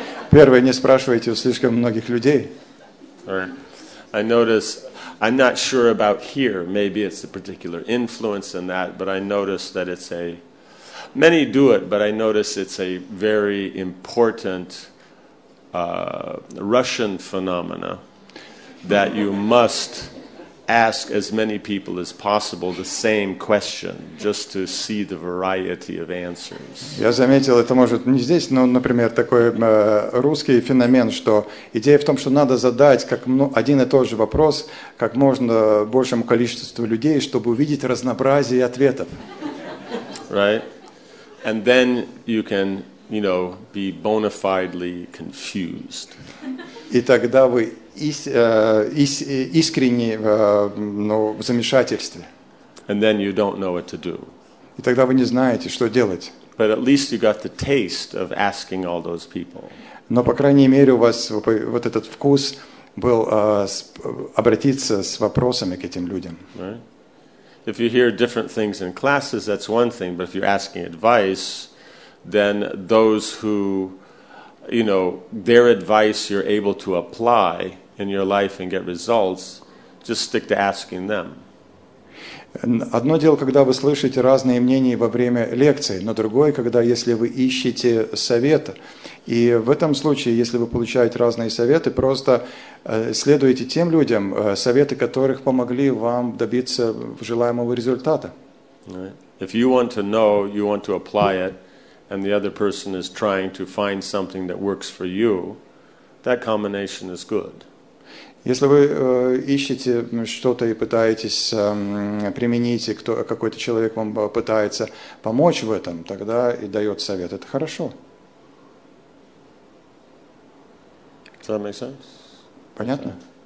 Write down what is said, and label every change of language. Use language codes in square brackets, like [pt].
[ru] Первое, не спрашивайте у слишком многих людей. [en] I notice, I'm not sure about here, maybe it's a particular influence in that, but I notice that it's a, many do it, but I notice it's a very important Russian phenomena that you must ask as many people as possible the same question just to see the variety of answers. [ru] Я заметил, это может не здесь, но, например, такой русский феномен, что идея в том, что надо задать как один и тот же вопрос как можно большему количеству людей, чтобы увидеть разнообразие ответов. [en] Right? And then you can, you know, be bona fidely confused. [ru] И тогда вы искренне, но в замешательстве. [en] And then you don't know what to do. [ru] И тогда вы не знаете, что делать. [en] But at least you got the taste of asking all those people. [ru] Но по крайней мере у вас вот этот вкус был обратиться с вопросами к этим людям. [en] Right? If you hear different things in classes, that's one thing. But if you're asking advice, then those who, you know, their advice you're able to apply in your life and get results, just stick to asking them. [ru] Одно дело, когда вы слышите разные мнения во время лекции, но другое, когда если вы ищете совета. И в этом случае, если вы получаете разные советы, просто следуйте тем людям, советы которых помогли вам добиться желаемого результата. [en] Right. If you want to know, you want to apply it, and the other person is trying to find something that works for you, that combination is good. [ru] Если вы ищете что-то и пытаетесь применить, какой-то человек вам пытается помочь в этом, тогда и дает совет. Это хорошо. [en] Does that make sense? [ru] Понятно?